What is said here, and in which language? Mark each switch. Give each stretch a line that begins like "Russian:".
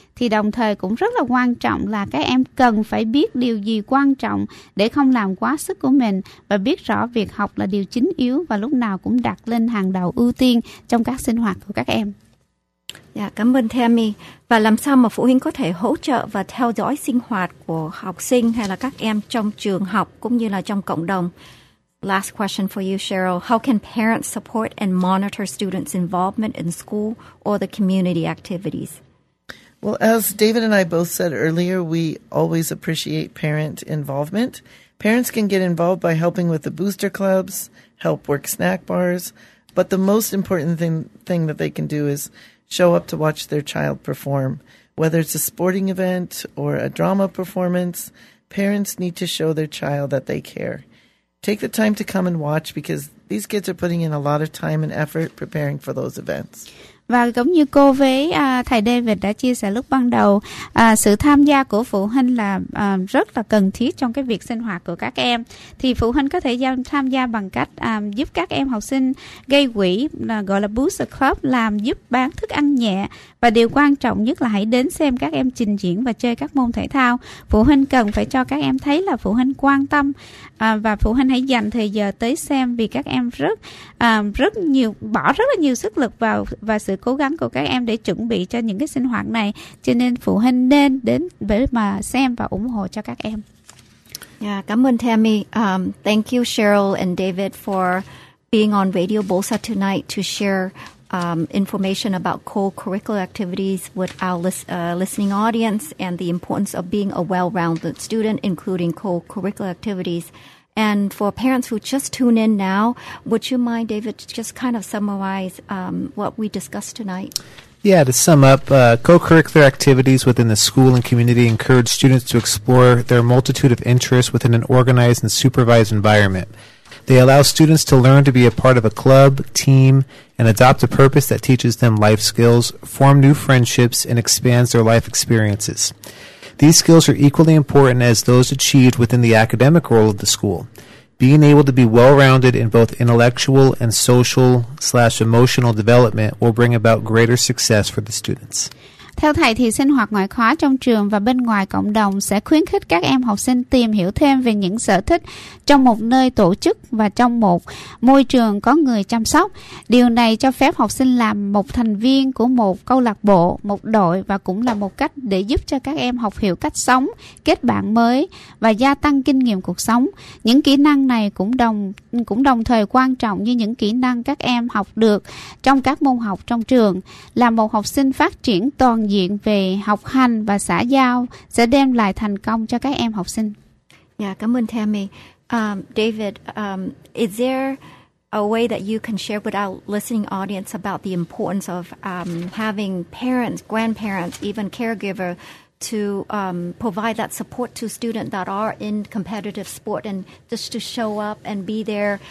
Vietnamese: Thì đồng thời cũng rất là quan trọng là các em cần phải biết điều gì quan trọng để không làm quá sức của mình và biết rõ việc học là điều chính yếu và lúc nào cũng đặt lên hàng đầu ưu tiên trong các sinh hoạt của các em. Dạ, cảm ơn Tammy. Và làm sao mà phụ huynh có thể hỗ trợ và theo dõi sinh hoạt của học sinh hay là các em trong trường học cũng như là trong cộng đồng?
English: Last question for you, Cheryl. How can parents support and monitor students' involvement in school or the community activities? Well, as David and I both said earlier, we always appreciate parent involvement. Parents can get involved by helping with the booster clubs, help work snack bars, but the most important thing that they can do is show up to watch their child perform. Whether it's a sporting event or a drama performance, parents need to show their child that they care. Take the time to come and watch because these kids are putting in a lot of time and effort preparing for those events.
Vietnamese: Và giống như cô với thầy David đã chia sẻ lúc ban đầu, sự tham gia của phụ huynh là rất là cần thiết trong cái việc sinh hoạt của các em. Thì phụ huynh có thể tham gia bằng cách giúp các em học sinh gây quỹ, gọi là Booster Club, làm giúp bán thức ăn nhẹ. Và điều quan trọng nhất là hãy đến xem các em trình diễn và chơi các môn thể thao. Phụ huynh cần phải cho các em thấy là phụ huynh quan tâm và phụ huynh hãy dành thời giờ tới xem vì các em rất là nhiều sức lực vào và sự cố gắng của các em để chuẩn bị cho những cái sinh hoạt này. Cho nên phụ huynh nên đến để mà xem và ủng hộ cho các em. Yeah, cảm ơn Tammy.
English: Thank you Cheryl and David for being on Radio Bosa tonight to share information about co-curricular activities with our listening audience and the importance of being a well-rounded student, including co-curricular activities. And for parents who just tune in now, would you mind, David, just kind of summarize what we discussed tonight? Yeah, to sum up, co-curricular activities within the school and community encourage students to explore their multitude of interests within an organized and supervised environment. They allow students to learn to be a part of a club, team, and adopt a purpose that teaches them life skills, form new friendships, and expands their life experiences. These skills are equally important as those achieved within the academic role of the school. Being able to be well-rounded in both intellectual and social/emotional development will bring about greater success for the students.
Vietnamese: Theo thầy thì sinh hoạt ngoại khóa trong trường và bên ngoài cộng đồng sẽ khuyến khích các em học sinh tìm hiểu thêm về những sở thích trong một nơi tổ chức và trong một môi trường có người chăm sóc. Điều này cho phép học sinh làm một thành viên của một câu lạc bộ, một đội và cũng là một cách để giúp cho các em học hiểu cách sống, kết bạn mới và gia tăng kinh nghiệm cuộc sống. Những kỹ năng này cũng đồng thời quan trọng như những kỹ năng các em học được trong các môn học trong trường. Là một học sinh phát triển toàn diện về học hành và xã giao sẽ đem lại thành công cho các em học sinh. Yeah, cảm ơn Tammy.
English: David, is there a way that you can share with our listening audience about the importance of having parents, grandparents, even caregiver to provide that support to students that are in competitive sport and just to show up and be there?